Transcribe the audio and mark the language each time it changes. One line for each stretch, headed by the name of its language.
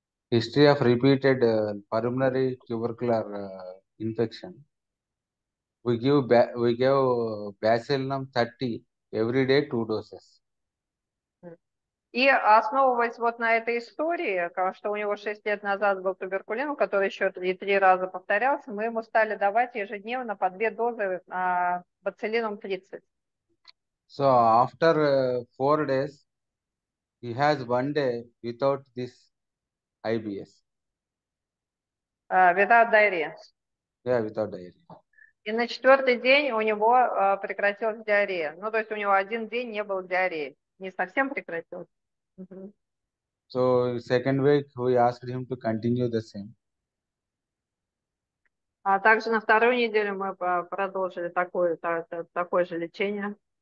English: history of repeated pulmonary tubercular infection, we give bacillum 30 every day, 2 doses.
Russian: И основываясь вот на этой истории, что у него 6 лет назад был туберкулин, который еще 3 раза повторялся, мы ему стали давать ежедневно по 2 дозы бациллином 30.
English: So after 4 days, he has 1 day without this IBS. Without diarrhea. Yeah, without diarrhea.
Russian: И на 4-й день у него прекратилась диарея. Ну, то есть у него один день не было диареи. Не совсем прекратилось.
English: So second week we asked him to continue the same.
Russian: А также на вторую неделю мы продолжили такое же лечение.